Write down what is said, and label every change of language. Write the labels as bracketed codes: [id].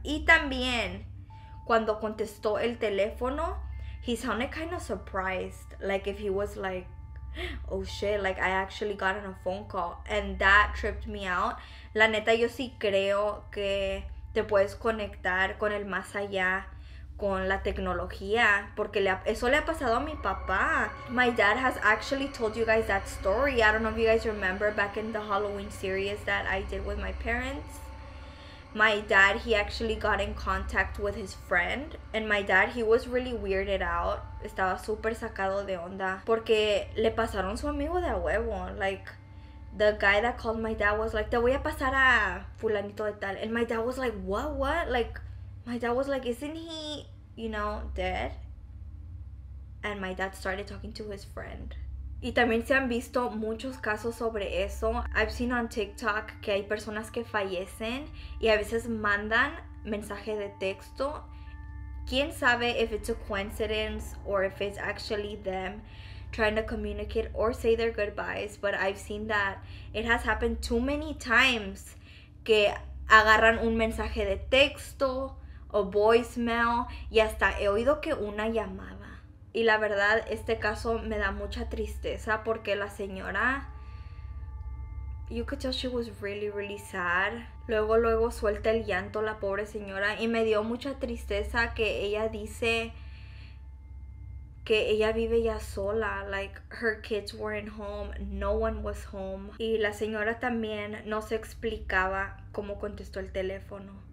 [es] Y también cuando contestó el teléfono, [en] he sounded kind of surprised, like if he was like, oh shit, like I actually got on a phone call, and that tripped me out. [es] La neta, yo sí creo que te puedes conectar con el más allá con la tecnología, porque eso le ha pasado a mi papá. [en] My dad has actually told you guys that story. I don't know if you guys remember back in the Halloween series that I did with my parents. My dad, he actually got in contact with his friend, and my dad, he was really weirded out. [es] Estaba super sacado de onda porque le pasaron su amigo de huevo. [en] Like, the guy that called my dad was like, [es] te voy a pasar a fulanito de tal. [en] And my dad was like, what? Like, my dad was like, isn't he, you know, dead? And my dad started talking to his friend. [es] Y también se han visto muchos casos sobre eso. [en] I've seen on TikTok [es] que hay personas que fallecen y a veces mandan mensaje de texto. ¿Quién sabe [en] if it's a coincidence or if it's actually them trying to communicate or say their goodbyes? But I've seen that it has happened too many times [es] que agarran un mensaje de texto o voicemail y hasta he oído que una llamada. Y la verdad, este caso me da mucha tristeza porque la señora, [en] you could tell she was really, really sad. [es] Luego suelta el llanto la pobre señora y me dio mucha tristeza que ella dice que ella vive ya sola. [en] Like, her kids weren't home, no one was home. [es] Y la señora también no se explicaba cómo contestó el teléfono.